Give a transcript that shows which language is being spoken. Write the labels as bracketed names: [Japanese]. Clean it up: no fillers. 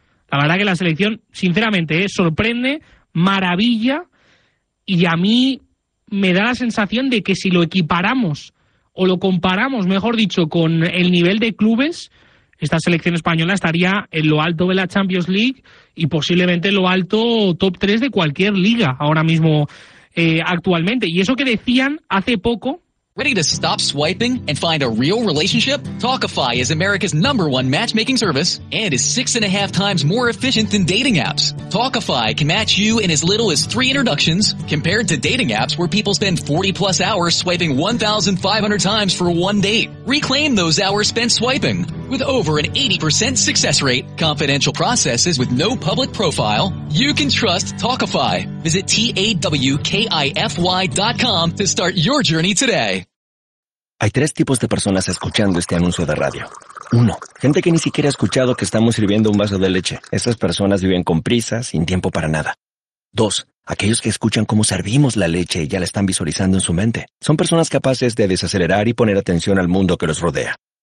[Spanish] La verdad que la selección, sinceramente, sorprende, maravilla, y a mí me da la sensación de que si lo equiparamos, o lo comparamos, mejor dicho, con el nivel de clubes, esta selección española estaría en lo alto de la Champions League y posiblemente en lo alto top 3 de cualquier liga ahora mismo, actualmente. Y eso que decían hace poco. [English] Ready to stop swiping and find a real relationship? Talkify is America's number one matchmaking service and is 6.5 times more efficient than dating apps. Talkify can match you in as little as 3 introductions compared to dating apps where people spend 40 plus hours swiping 1,500 times for one date. Reclaim those hours spent swiping. With over an 80% success rate, confidential processes with no public profile, you can trust Talkify. Visit TAWKIFY.com to start your journey today. [Spanish] Hay tres tipos de personas escuchando este anuncio de radio. Uno, gente que ni siquiera ha escuchado que estamos sirviendo un vaso de leche. Esas personas viven con prisa, sin tiempo para nada. Dos, aquellos que escuchan cómo servimos la leche y ya la están visualizando en su mente. Son personas capaces de desacelerar y poner atención al mundo que los rodea.